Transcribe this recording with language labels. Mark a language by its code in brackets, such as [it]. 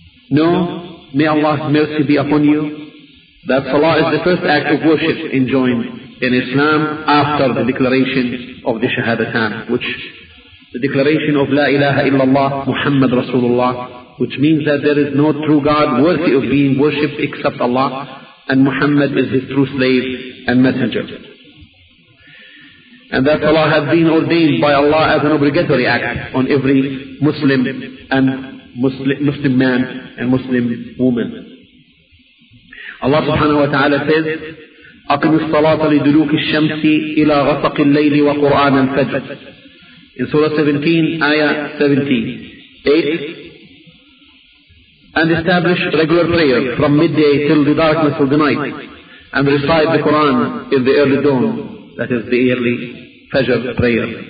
[en] No, may Allah's mercy be upon you, that salah is the first act of worship enjoined in Islam after the declaration of the shahadatan, which the declaration of La ilaha illallah Muhammad Rasulullah, which means that there is no true God worthy of being worshipped except Allah, and Muhammad is his true slave and messenger. And that salah has been ordained by Allah as an obligatory act on every Muslim and Muslim man and Muslim woman. Allah subhanahu wa ta'ala says, [ar] أَقِمِ الصَّلَاةَ لِدُلُوكِ الشَّمْسِ إِلَىٰ غَسَقِ اللَّيْلِ وَقُرْآنًا فَجْرِ. [en] In Surah 17, Ayah 17:8, and establish regular prayer from midday till the darkness of the night, and recite the Quran in the early dawn, that is the early Fajr prayer.